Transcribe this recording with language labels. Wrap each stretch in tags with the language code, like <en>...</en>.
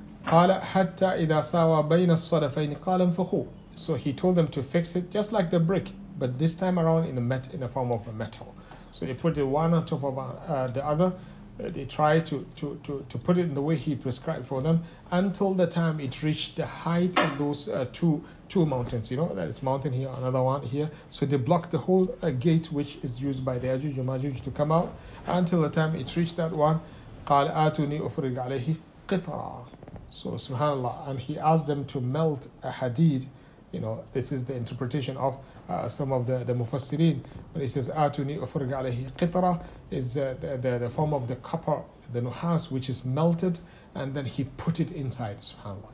<ar>قال حتى إذا ساوى بين الصدفين قال انفخوا.</ar> <en>So he told them to fix it just like the brick, but this time around in a form of a metal. So they put it one on top of the other. They try to put it in the way he prescribed for them until the time it reached the height of those two mountains. You know, that is mountain here, another one here. So they blocked the whole gate which is used by the Ajuj and Majuj to come out until the time it reached that one.</en> <ar>قال آتوني أفرغ عليه قطرا.</ar> <en>So subhanAllah. And he asked them to melt a hadid. You know, this is the interpretation of some of the mufassirin. When he says</en> <ar>آتوني أفرغ عليه قطرا,</ar> <en>is the form of the copper, the nuhas, which is melted, and then he put it inside, subhanAllah.</en>